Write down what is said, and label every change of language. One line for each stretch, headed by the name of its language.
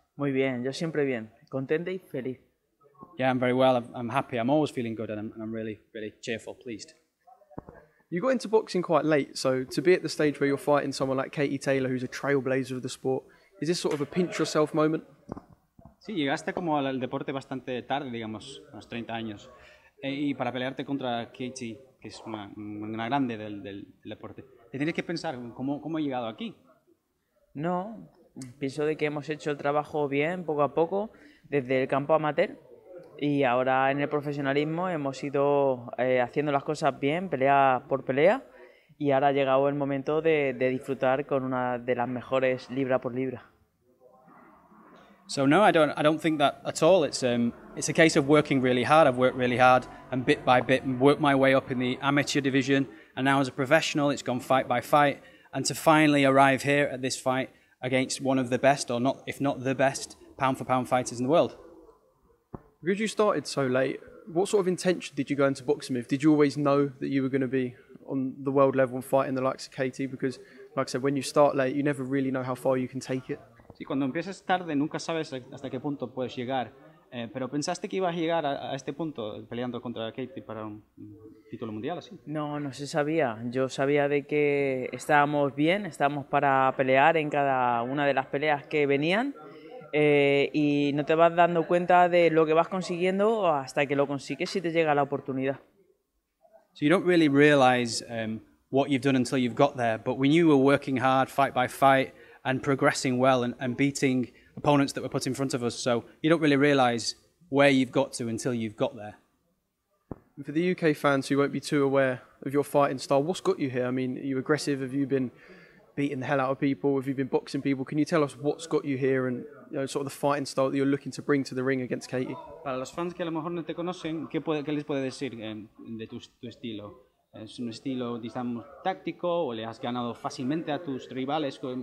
Spanish: Muy bien, yo siempre bien. Contente y feliz.
English: Yeah, I'm very well. I'm happy. I'm always feeling good, and I'm really, really cheerful, pleased. You got into boxing quite late, so to be at the stage where you're fighting someone like Katie Taylor, who's a trailblazer of the sport, is this sort of a pinch yourself moment?
Spanish: Sí, llegaste como al deporte bastante tarde, digamos, a los 30 años. Y para pelearte contra Katie, que es una grande del deporte, te tienes que pensar, ¿cómo he llegado aquí? No, pienso de que hemos hecho el trabajo bien, poco a poco, desde el campo amateur. Y ahora en el profesionalismo hemos ido haciendo las cosas bien, pelea por pelea. Y ahora ha llegado el momento de disfrutar con una de las mejores libra por libra.
English: So no, I don't think that at all. It's a case of working really hard. I've worked really hard and bit by bit worked my way up in the amateur division. And now as a professional, it's gone fight by fight. And to finally arrive here at this fight against one of the best, or not if not the best, pound for pound fighters in the world. Because you started so late, what sort of intention did you go into boxing with? Did you always know that you were going to be on the world level and fighting the likes of Katie? Because, like I said, when you start late, you never really know how far you can take it.
Spanish: Sí, cuando empiezas tarde nunca sabes hasta qué punto puedes llegar. Pero pensaste que ibas a llegar a este punto peleando contra Katie para un título mundial, ¿así? No se sabía. Yo sabía de que estábamos bien, estábamos para pelear en cada una de las peleas que venían. Y no te vas dando cuenta de lo que vas consiguiendo hasta que lo consigues y te llega la oportunidad.
English: So you don't really realize what you've done until you've got there, but when you were working hard, fight by fight, and progressing well and beating opponents that were put in front of us, so you don't really realize where you've got to until you've got there. And for the UK fans who won't be too aware of your fighting style, what's got you here? I mean, are you aggressive? Have you been beating the hell out of people? Have you been boxing people? Can you tell us what's got you here and, you know, sort of the fighting style that you're looking to bring to the ring against Katie?
Spanish: Para los fans que a lo mejor no te conocen, ¿qué les puede decir de tu estilo? ¿Es un estilo, digamos, táctico, o le has ganado fácilmente a tus rivales?